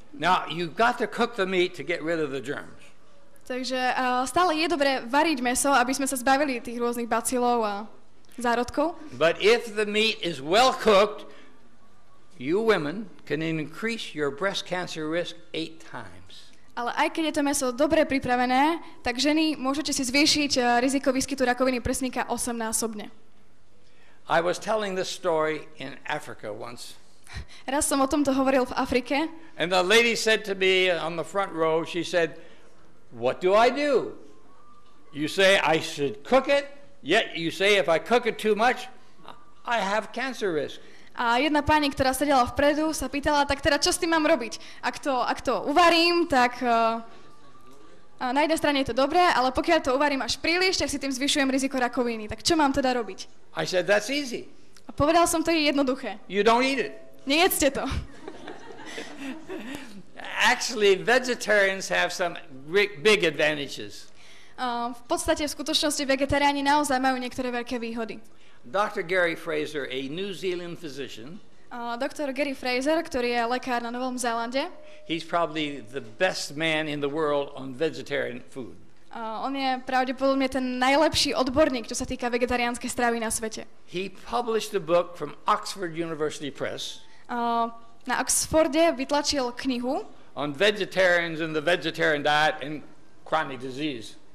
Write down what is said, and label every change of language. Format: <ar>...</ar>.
<en>Now you've got to cook the meat to get rid of the germs.</en> <sk>Takže stále je dobre variť meso, aby sme sa zbavili tých rôznych bacilov a zárodkov.</sk> <en>But if the meat is well cooked, you women can increase your breast cancer risk 8 times.</en> <sk>Ale aj keď je to meso dobre pripravené, tak ženy môžete si zvýšiť riziko výskytu rakoviny prsníka 8 násobne.</sk> <en>I was telling this story in Africa once.</en> <sk>Raz som o tomto hovoril v Afrike.</sk> <en>And the lady said to me on the front row, she said, "What do I do? You say I should cook it, yet you say if I cook it too much, I have cancer risk."</en> <sk>A jedna pani, ktorá sedela vpredu, sa pýtala, tak teda čo s tým mám robiť? Ak to uvarím, tak na jednej strane je to dobré, ale pokiaľ to uvarím až príliš, tak si tým zvyšujem riziko rakoviny. Tak čo mám teda robiť?</sk> <en>I said, that's easy.</en> <sk>A povedal som, to je jednoduché.</sk> <en>You don't eat it.</en> <sk>Nejedzte to.</sk> <en>Actually, vegetarians have some big advantages.</en> <sk>V podstate v skutočnosti vegetariáni naozaj majú niektoré veľké výhody.</sk> <en>Dr. Gary Fraser, a New Zealand physician.</en> <sk>Dr. Gary Fraser, ktorý je lekár na Novom Zélande.</sk> <en>He's probably the best man in the world on vegetarian food.</en> <sk>On je pravdepodobne ten najlepší odborník, čo sa týka vegetariánskej stravy na svete.</sk> <en>He published a book from Oxford University Press.</en> <sk>Na Oxforde vytlačil knihu</sk> <en>on vegetarians and the vegetarian diet and chronic disease.</en>